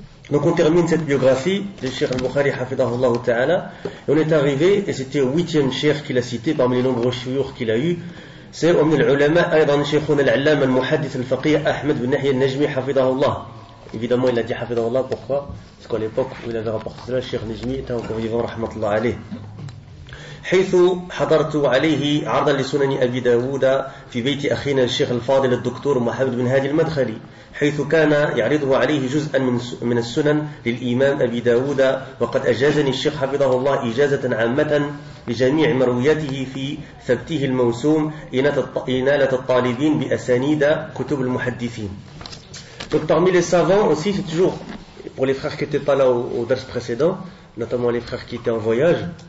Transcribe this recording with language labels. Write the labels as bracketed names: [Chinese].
[French] Donc on termine cette biographie de Cheikh al-Bukhari, hafidahullah ta'ala, et on est arrivé, et c'était le 8e Cheikh qu'il a cité parmi les nombreux chouyours qu'il a eu. C'est Omni al-Ulama, Aydan Cheikhoun al-Allam al-Muhaddith al-Faqih Ahmed ibn Yahya al-Najmi, hafidahullah. Évidemment, il a dit hafidahullah, pourquoi? Parce qu'à l'époque où il avait rapporté cela, Cheikh Najmi était encore vivant, rahmatullah alayh. [Arabic] حيث حضرت عليه عرضا لسنن أبي داود في بيت أخينا الشيخ الفاضل الدكتور محمد بن هادي المدخلي حيث كان يعرضه عليه جزءا من السنن للإمام أبي داود وقد أجازني الشيخ حفظه الله إجازة عامة لجميع مروياته في ثبته الموسوم إنالة الطالبين بأسانيد كتب المحدثين. [French] Donc parmi les savants aussi, c'est toujours pour les frères qui n'étaient pas là au dars précédent, notamment les frères qui étaient en voyage.